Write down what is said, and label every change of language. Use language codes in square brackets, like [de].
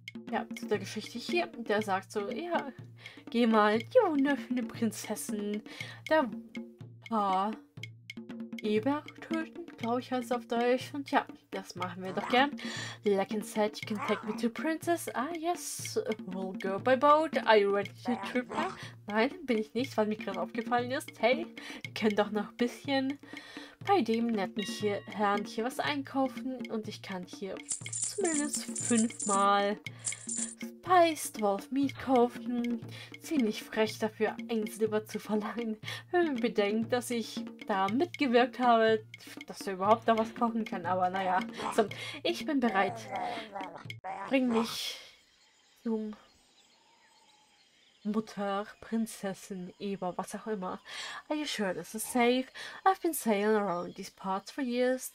[de] Ja, zu der Geschichte hier, der sagt so, ja, geh mal, die wunderschöne Prinzessin, der Paar Eber töten, glaube ich heißt auf Deutsch, und ja, das machen wir doch gern. [en] Lekan said, you can take me to Princess, ah yes, we'll go by boat, are you ready to trip now? [de] Nein, bin ich nicht, weil mir gerade aufgefallen ist, hey, ich kann doch noch ein bisschen bei dem netten hier, Herrn hier was einkaufen, und ich kann hier zumindest 5-mal Spiced Wolf Meat kaufen. Ziemlich frech dafür, ein Silber zu verlangen. Wenn man bedenkt, dass ich da mitgewirkt habe, dass er überhaupt da was kochen kann. Aber naja, so, ich bin bereit. Bring mich zum Mutter, Prinzessin, Eva, was auch immer. [en] Are you sure this is safe? I've been sailing around these parts for years.